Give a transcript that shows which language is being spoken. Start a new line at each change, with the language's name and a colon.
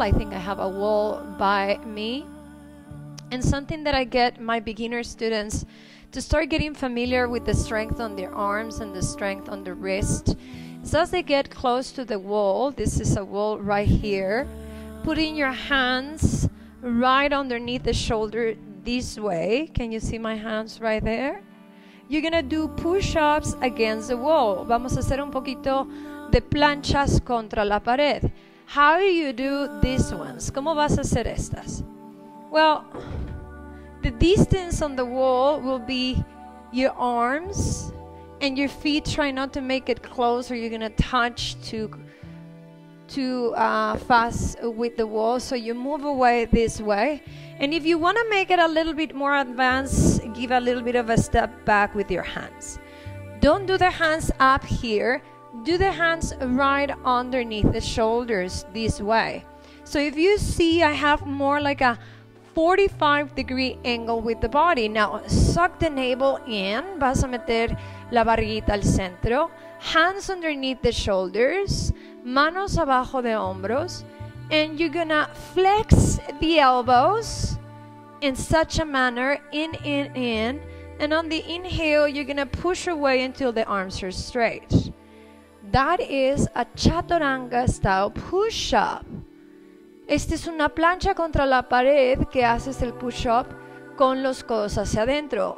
English: I think I have a wall by me. And something that I get my beginner students to start getting familiar with, the strength on their arms and the strength on the wrist. So as they get close to the wall, this is a wall right here, putting your hands right underneath the shoulder this way. Can you see my hands right there? You're gonna do push-ups against the wall.
Spanish: Vamos a hacer un poquito de planchas contra la pared.
English: How do you do these ones?
Spanish: ¿Cómo vas a hacer estas?
English: Well, the distance on the wall will be your arms and your feet. Try not to make it close, or you're gonna touch too fast with the wall. So you move away this way. And if you want to make it a little bit more advanced, give a little bit of a step back with your hands. Don't do the hands up here. Do the hands right underneath the shoulders this way. So if you see, I have more like a 45 degree angle with the body. Now, suck the navel in.
Spanish: Vas a meter la barriguita al centro.
English: Hands underneath the shoulders.
Spanish: Manos abajo de hombros.
English: And you're gonna flex the elbows in such a manner, in. And on the inhale, you're gonna push away until the arms are straight. That is a chaturanga style push-up.
Spanish: Esta es una plancha contra la pared que haces el push-up con los codos hacia adentro.